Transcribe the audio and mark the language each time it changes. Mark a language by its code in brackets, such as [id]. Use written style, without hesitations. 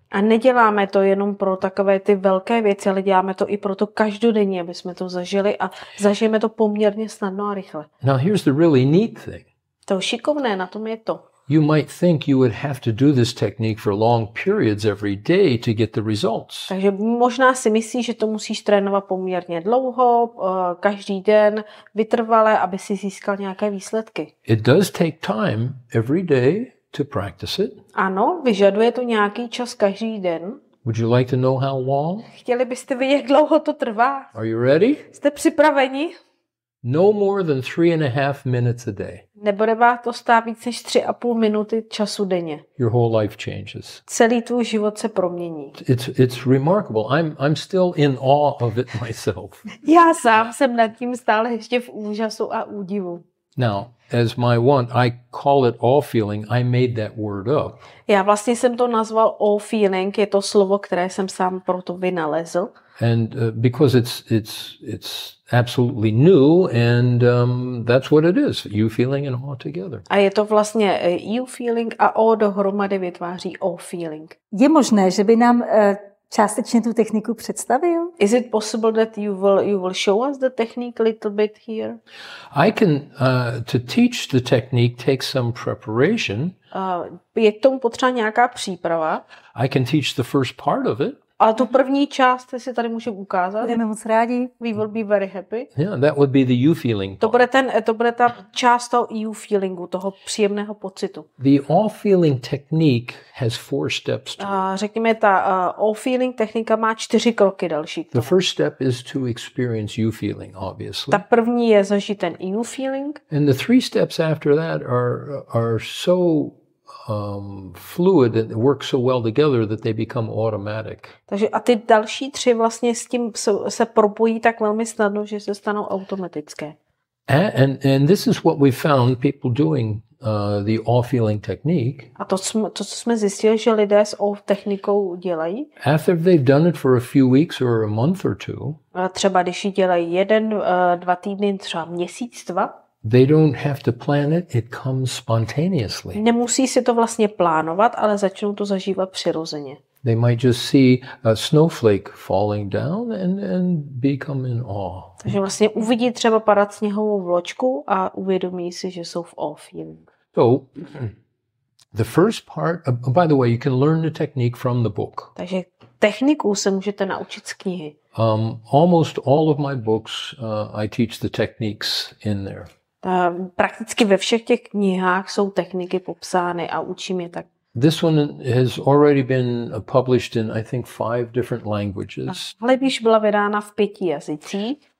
[cs] A neděláme to jenom pro takové ty velké věci, ale děláme to i pro to každodenní, aby jsme to zažili a zažijeme to poměrně snadno a rychle. [en] Now here's the really neat thing. [cs] To šikovné na tom je to. [en] You might think you would have to do this technique for long periods every day to get the results. [cs] Takže možná si myslíš, že to musíš trénovat poměrně dlouho, každý den, vytrvale, aby si získal nějaké výsledky. [en] It does take time every day to practice it. [cs] Ano, vyžaduje to nějaký čas každý den. [en] Would you like to know how long? [cs] Chtěli byste vědět, jak dlouho to trvá? [en] Are you ready? [cs] Jste připraveni? [en] No more than 3.5 minutes a day. [cs] Nebude vás to stát víc než 3.5 minuty času denně. [en] Your whole life changes. [cs] Celý tvůj život se promění. [en] It's remarkable. I'm still in awe of it myself. [cs] Já sám jsem nad tím stále ještě v úžasu a údivu. [en] Now, as my want, I call it awe feeling. I made that word up. [cs] Já vlastně jsem to nazval awe feeling. Je to slovo, které jsem sám proto vynalezl. [en] And because it's absolutely new, and that's what it is. You feeling and awe together. [cs] A je to vlastně you feeling a awe dohromady vytváří awe feeling. Je možné, že by nám částečně tu techniku představil? [en] Is it possible that you will show us the technique a little bit here? I can to teach the technique takes some preparation. [cs] Je k tomu potřeba nějaká příprava? [en] I can teach the first part of it. [cs] Ale tu první část si tady můžeme ukázat. Budeme moc rádi. [en] We will be very happy. Yeah, that would be the you feeling. [cs] To bude ten, to bude ta část toho you feelingu, toho příjemného pocitu. [en] The all feeling technique has 4 steps. [cs] A řekněme, ta all feeling technika má 4 kroky další. [en] The first step is to experience you feeling, obviously. [cs] Ta první je zažít ten you feeling. [en] And the 3 steps after that are so fluid and work so well together that they become automatic. [cs] Takže a ty další 3 vlastně s tím se propojí tak velmi snadno, že se stanou automatické. [en] And this is what we found people doing the awe feeling technique. [cs] A to jsme zjistili, že lidé s awe technikou dělají. [en] After they've done it for a few weeks or a month or two. [cs] A třeba když ji dělají 1-2 týdny, třeba 1-2 měsíce. [en] They don't have to plan it, it comes spontaneously. [cs] Nemusí si to vlastně plánovat, ale začnou to zažívat přirozeně. [en] They might just see a snowflake falling down and become in awe. [cs] Takže vlastně uvidí třeba padat sněhovou vločku a uvědomí si, že jsou v awe feeling. [en] So, the first part, by the way, you can learn the technique from the book. [cs] Takže techniku se můžete naučit z knihy. [en] Almost all of my books, I teach the techniques in there. [cs] Prakticky ve všech těch knihách jsou techniky popsány a učím je tak. [en] This one has already been published in, I think, 5 different languages. [cs] Ale již byla vydána v 5 jazycích.